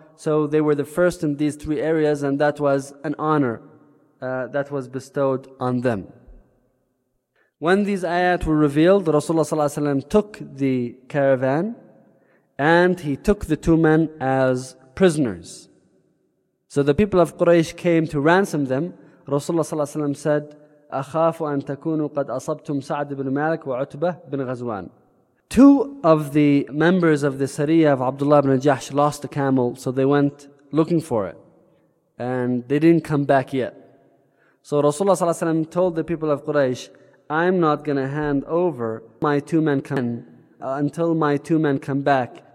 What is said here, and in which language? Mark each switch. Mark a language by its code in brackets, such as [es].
[en] So they were the first in these three areas, and that was an honor that was bestowed on them. When these ayat were revealed, Rasulullah ﷺ took the caravan and he took the two men as prisoners. So the people of Quraysh came to ransom them. Rasulullah ﷺ said, [ar] أخاف أن تكونوا قد أصبتم سعد بن مالك وعتبة بن غزوان. [en] Two of the members of the Sariya of Abdullah ibn Jahsh lost a camel, so they went looking for it. And they didn't come back yet. So Rasulullah ﷺ told the people of Quraysh, I'm not going to hand over my two men until my two men come back.